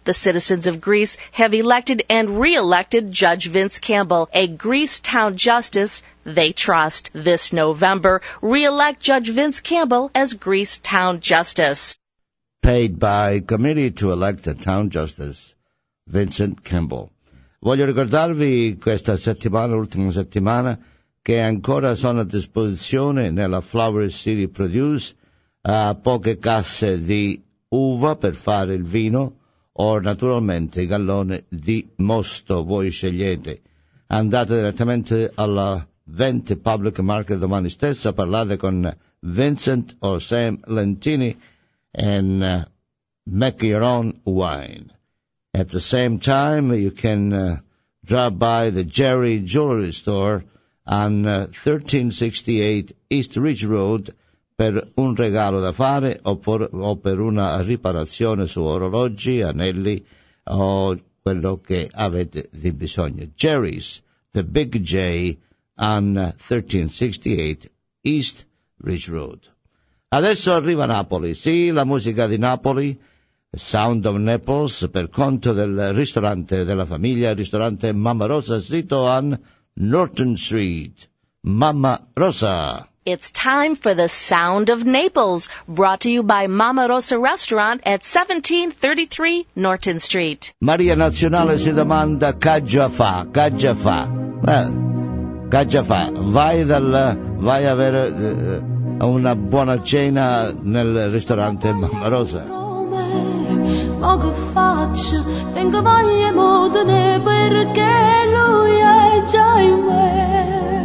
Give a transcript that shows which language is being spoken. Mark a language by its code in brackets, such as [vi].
[en] The citizens of Greece have elected and re-elected Judge Vince Campbell, a Greece town justice they trust. This November, re-elect Judge Vince Campbell as Greece town justice. Paid by committee to elect the town justice, Vincent Campbell. [it] Voglio ricordarvi questa settimana, l'ultima settimana, che ancora sono a disposizione nella Flower City Produce poche casse di uva per fare il vino o naturalmente gallone di mosto, voi scegliete. Andate direttamente alla 20 Public Market domani stesso, parlate con Vincent o Sam Lentini, [en] and make your own wine. At the same time, you can drop by the Jerry Jewelry Store on 1368 East Ridge Road, [it] per un regalo da fare o per una riparazione su orologi, anelli o quello che avete di bisogno. [en] Jerry's, the Big J on 1368 East Ridge Road. [it] Adesso arriva Napoli, sì, la musica di Napoli, Sound of Naples, per conto del ristorante della famiglia, ristorante Mamma Rosa, sito a Norton Street. Mamma Rosa. [en] It's time for the Sound of Naples, brought to you by Mamma Rosa Restaurant at 1733 Norton Street. [it] Maria Nazionale si domanda, caggia fa, caggia fa? Well, caggia fa, vai a avere una buona cena nel ristorante Mamma Rosa. Ma che faccio, tengo voglia modone perché lui è già in me.